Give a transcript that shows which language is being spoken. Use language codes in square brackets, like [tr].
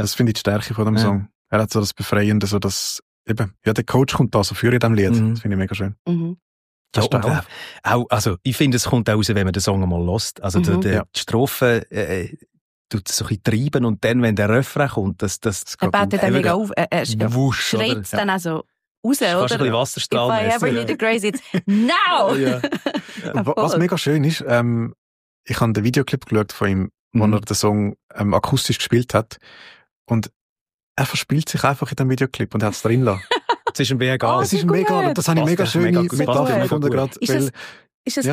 [de] Das finde ich die Stärke von dem Song. Er hat so das Befreiende, so dass eben, der Coach kommt da so für in diesem Lied. Das finde ich mega schön. Also ich finde, es kommt auch raus, wenn man den Song mal hört. Also die Strophe tut so ein treiben und dann, wenn der Refrain kommt, das er baut dann mega auf, schreit es dann auch so raus, oder? Fast ein bisschen Wasserstrahl. [en] If I ever need a grace, it's now! [de] Was mega schön ist, ich habe den Videoclip geschaut von ihm wo er den Song akustisch gespielt hat. Und er verspielt sich einfach in dem Videoclip und hat es drin lassen. Es ist ihm wie egal. Es ist ihm egal. Und das habe ich mega schön mitgefunden. Ist es ja.